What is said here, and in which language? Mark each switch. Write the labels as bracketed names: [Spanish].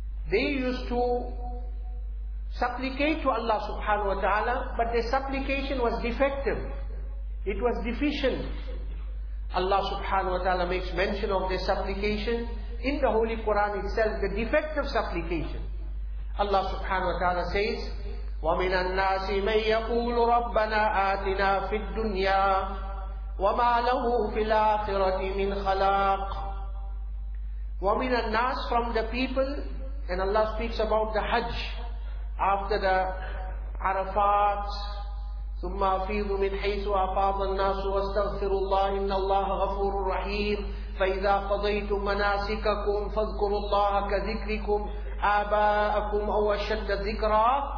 [English] They used to supplicate to Allah subhanahu wa ta'ala, but their supplication was defective. It was deficient. Allah subhanahu wa ta'ala makes mention of their supplication in the Holy Quran itself, the defective supplication. Allah subhanahu wa ta'ala says, [Arabic] وَمِنَ النَّاسِ مَنْ يَقُولُ رَبَّنَا آتِنَا فِي الدُّنْيَا وَمَا لَهُ فِي الْآخِرَةِ مِنْ خَلَاقٍ. وَمِنَ النَّاسِ, [English] from the people, and Allah speaks about the Hajj after the Arafat. [Arabic] ثُمَّ أَفِيضُ مِنْ حَيْثُ أَفَاضَ النَّاسُ وَاسْتَغْفِرُوا اللَّهِ إِنَّ اللَّهَ غَفُورٌ رَحِيمٌ فَإِذَا قَضَيْتُم مَنَاسِكَكُمْ فَاذْكُرُوا اللَّهَ كَذِكْرِكُمْ آبَاءَكُمْ أَوْ أَشَدَّ ذِكْرًا.